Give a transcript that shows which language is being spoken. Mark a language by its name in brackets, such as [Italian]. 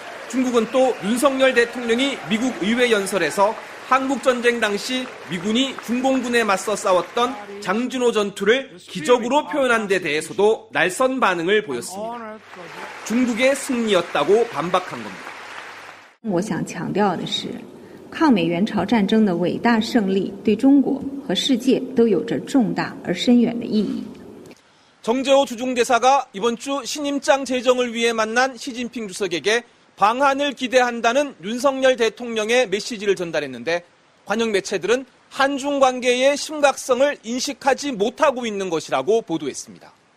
[Korean] 중국은 또 윤석열 대통령이 미국 의회 연설에서 한국전쟁 당시 미군이 중공군에 맞서 싸웠던 장준호 전투를 기적으로 표현한 데 대해서도 날선 반응을 보였습니다. 중국의 승리였다고 반박한 겁니다. [Chinese] 我想强调的是 抗美援朝战争的伟大胜利对中国和世界都有着重大而深远的意义. [Korean] 정재호 주중대사가 이번 주 신임장 제정을 위해 만난 시진핑 주석에게 방한을 기대한다는 윤석열 대통령의 메시지를 전달했는데 관영 매체들은 한중 관계의 심각성을 인식하지 못하고 있는 것이라고 보도했습니다.